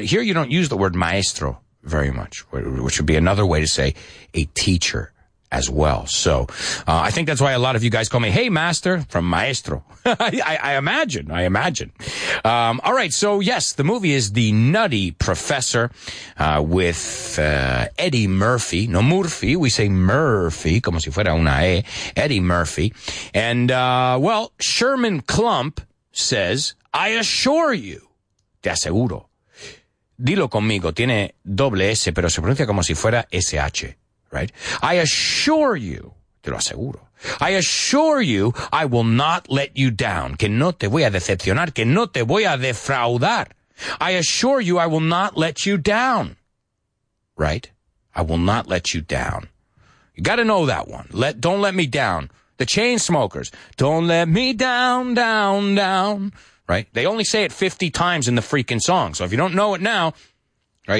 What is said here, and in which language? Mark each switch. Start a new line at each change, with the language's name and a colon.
English: Here you don't use the word maestro very much, which would be another way to say a teacher as well. So I think that's why a lot of you guys call me, hey, master, from maestro. I imagine. All right. So, yes, the movie is The Nutty Professor with Eddie Murphy. No Murphy. We say Murphy,
Spanish: como si fuera una E. Eddie Murphy.
English: And, well, Sherman Klump says, I assure you,
Spanish: te aseguro. Dilo conmigo. Tiene doble S, pero se pronuncia como si fuera SH.
English: Right? I assure you,
Spanish: te lo aseguro,
English: I assure you I will not let you down.
Spanish: Que no te voy a decepcionar, que no te voy a defraudar.
English: I assure you I will not let you down. Right? I will not let you down. You gotta know that one. Don't let me down. The chain smokers. Don't let me down, down, down. Right? They only say it 50 times in the freaking song. So if you don't know it now, right?